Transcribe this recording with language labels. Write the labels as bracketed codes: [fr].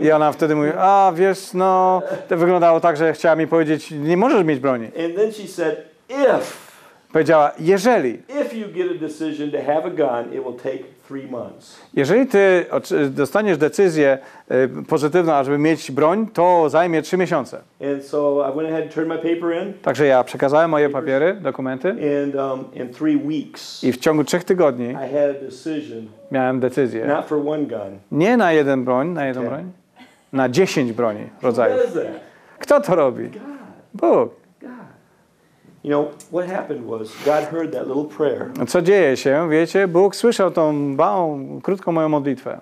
[pl] I ona wtedy mówi, a wiesz, no, to wyglądało tak, że chciała mi powiedzieć, nie możesz mieć broni. [en] And then she said, if. [pl] Powiedziała, jeżeli. [en] If you get a decision to have a gun, it will take. [pl] Jeżeli ty dostaniesz decyzję pozytywną, ażeby mieć broń, to zajmie 3 miesiące. [en] And so I went ahead and turned my paper in. [pl] Także ja przekazałem moje papiery, dokumenty. [en] And in 3 weeks. [pl] I w ciągu 3 tygodni. [en] I had a decision. [pl] Miałem decyzję. [en] Not for one gun. [pl] Nie na jeden broń, na jedną broń. Na 10 broni rodzajów. [en] Who does that? [pl] Kto to robi? [en] God. [pl] Bóg. [en] You know what happened was God heard that little prayer. [pl] Co dzieje się, wiecie, Bóg słyszał tą małą, krótką moją modlitwę.